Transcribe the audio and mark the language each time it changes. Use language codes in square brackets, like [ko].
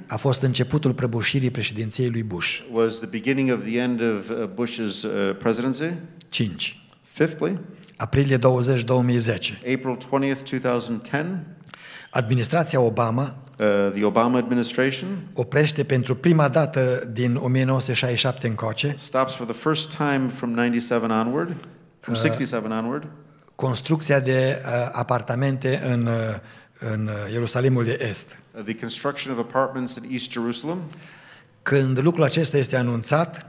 [ro] a fost începutul prăbușirii președinției lui Bush. [en] Was the beginning of the end of Bush's presidency? [ro] 5. [en] Fifthly, [ro] aprilie 20, 2010. [en] April 20th, 2010. [ro] Administrația Obama, [en] the Obama administration, [ro] oprește pentru prima dată din 1967 încoace. [en] Stops for the first time from 97 onward. From 67 onward. [ro] Construcția de apartamente în Ierusalimul de Est. [en] The construction of apartments in East Jerusalem. [ro] Când lucrul acesta este anunțat,